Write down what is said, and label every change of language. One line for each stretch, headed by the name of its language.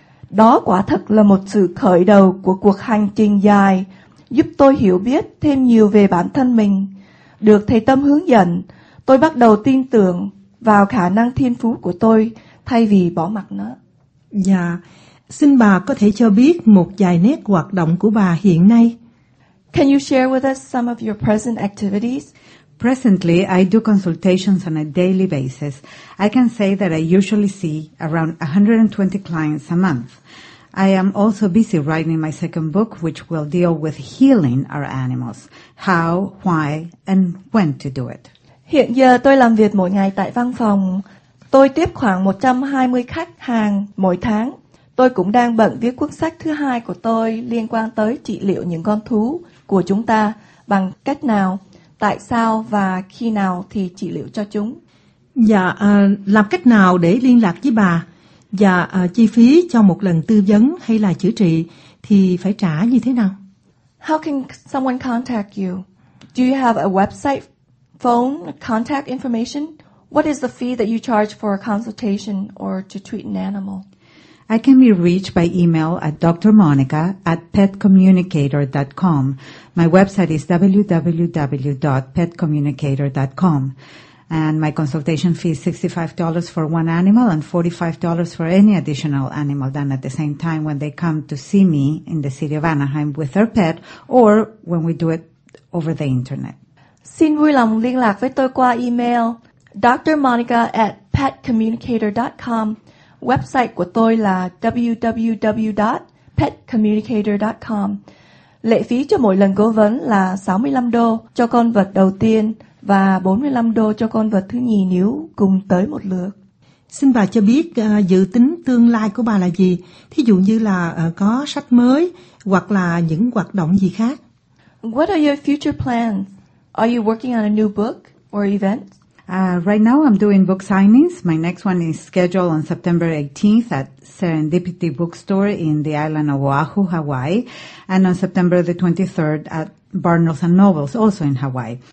Vietnamese: Đó quả thật là một sự khởi đầu của cuộc hành trình dài giúp tôi hiểu biết thêm nhiều về bản thân mình. Được thầy Tâm hướng dẫn, tôi bắt đầu tin tưởng vào khả năng thiên phú của tôi thay vì bỏ mặc nó. Dạ, xin bà có thể cho biết một vài nét hoạt động của bà hiện nay.
English: Can you share with us some of your present activities? Presently, I do consultations on a daily basis. I can say that I usually see around 120 clients a month. I am also busy writing my second book, which will deal with healing our animals, how, why, and when to do it.
Vietnamese: Hiện giờ tôi làm việc mỗi ngày tại văn phòng. Tôi tiếp khoảng 120 khách hàng mỗi tháng. Tôi cũng đang bận viết cuốn sách thứ hai của tôi liên quan tới trị liệu những con thú của chúng ta bằng cách nào, tại sao và khi nào thì trị liệu cho chúng. Dạ, làm cách nào để liên lạc với bà và chi phí cho một lần tư vấn hay là chữa trị thì phải trả như thế nào?
English: How can someone contact you? Do you have a website, phone, contact information? What is the fee that you charge for a consultation or to treat an animal? I can be reached by email at drmonica@petcommunicator.com. My website is www.petcommunicator.com. And my consultation fee is $65 for one animal and $45 for any additional animal done at the same time when they come to see me in the city of Anaheim with their pet or when we do it over the internet.
Vietnamese: Xin vui lòng liên lạc với tôi qua email drmonica@petcommunicator.com. Website của tôi là www.petcommunicator.com. Lệ phí cho mỗi lần cố vấn là $65 cho con vật đầu tiên và $45 cho con vật thứ nhì nếu cùng tới một lượt. Xin bà cho biết dự tính tương lai của bà là gì? Thí dụ như là có sách mới hoặc là những hoạt động gì khác?
English: What are your future plans? Are you working on a new book or event? Right now I'm doing book signings. My next one is scheduled on September 18th at Serendipity Bookstore in the island of Oahu, Hawaii, and on September the 23rd at Barnes & Noble's, also in Hawaii.